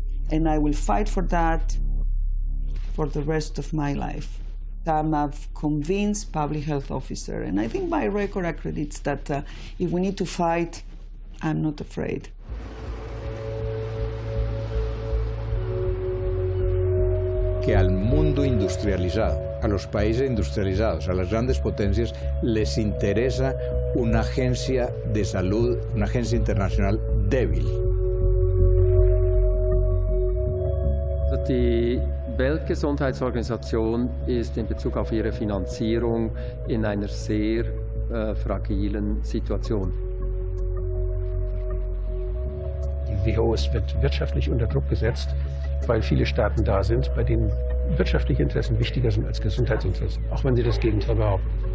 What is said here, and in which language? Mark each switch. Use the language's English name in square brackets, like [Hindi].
[English] And I will fight for that for the rest of my life. I'm a convinced public health officer, and I think my record accredits that if we need to fight, I'm not afraid. [Spanish] Que al mundo industrializado, a los países industrializados, a las grandes potencias, les interesa una agencia de salud, una agencia internacional débil. [German] Die Weltgesundheitsorganisation ist in Bezug auf ihre Finanzierung in einer sehr fragilen Situation. Die WHO wird wirtschaftlich unter Druck gesetzt, weil viele Staaten da sind, bei denen wirtschaftliche Interessen wichtiger sind als Gesundheitsinteressen, auch wenn sie das Gegenteil behaupten.